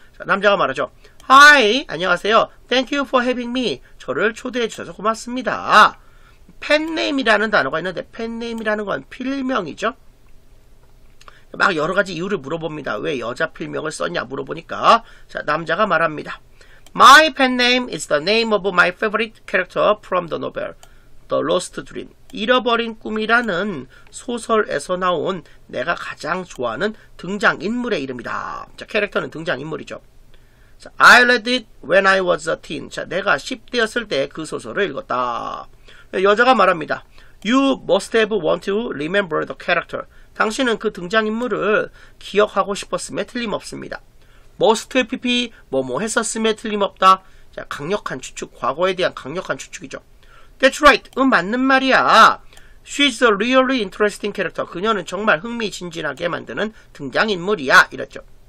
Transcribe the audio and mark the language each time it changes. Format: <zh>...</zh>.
<ko>자, 남자가 말하죠.</ko> <en>Hi,</en> <ko>안녕하세요.</ko> <en>Thank you for having me.</en> <ko>저를 초대해 주셔서 고맙습니다. 팬네임이라는 단어가 있는데 팬네임이라는 건 필명이죠. 막 여러 가지 이유를 물어봅니다. 왜 여자 필명을 썼냐 물어보니까 자, 남자가 말합니다.</ko> <en>My pen name is the name of my favorite character from the novel The Lost Dream.</en> <ko>잃어버린 꿈이라는 소설에서 나온 내가 가장 좋아하는 등장인물의 이름이다. 자, 캐릭터는 등장인물이죠.</ko> <en>I read it when I was a teen.</en> <ko>자, 내가 10대였을 때 그 소설을 읽었다. 여자가 말합니다.</ko> <en>You must have wanted to remember the character.</en> <ko>당신은 그 등장인물을 기억하고 싶었음에 틀림없습니다. Most PP 뭐뭐 했었음에 틀림없다. 자, 강력한 추측, 과거에 대한 강력한 추측이죠.</ko> <en>That's right.</en> <ko>응, 맞는 말이야.</ko> <en>She's a really interesting character.</en> <ko>그녀는 정말 흥미진진하게 만드는 등장인물이야. 이랬죠.</ko>